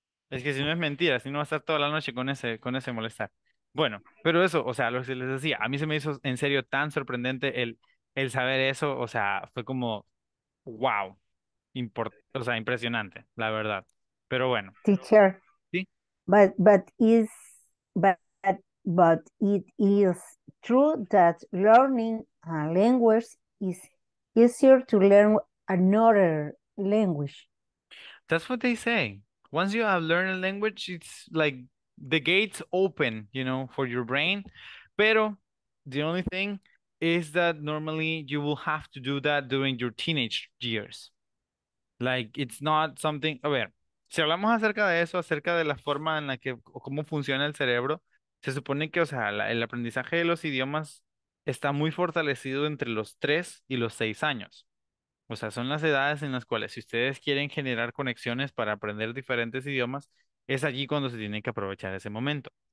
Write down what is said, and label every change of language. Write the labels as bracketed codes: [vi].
[es] Es que si no es mentira, si no va a estar toda la noche con ese molestar. Bueno, pero eso, o sea, lo que les decía, a mí se me hizo en serio tan sorprendente el saber eso, o sea, fue como, wow. O sea, impresionante, la verdad. Pero bueno. [en] Teacher. [es] Sí. [en] But it is true that learning a language is easier to learn another language. That's what they say. Once you have learned a language, it's like the gates open, you know, for your brain. Pero the only thing is that normally you will have to do that during your teenage years. Like, it's not something... [es] A ver, si hablamos acerca de eso, acerca de la forma en la que... O cómo funciona el cerebro, se supone que, o sea, el aprendizaje de los idiomas está muy fortalecido entre los 3 y los 6 años. O sea, son las edades en las cuales, si ustedes quieren generar conexiones para aprender diferentes idiomas, es allí cuando se tiene que aprovechar ese momento.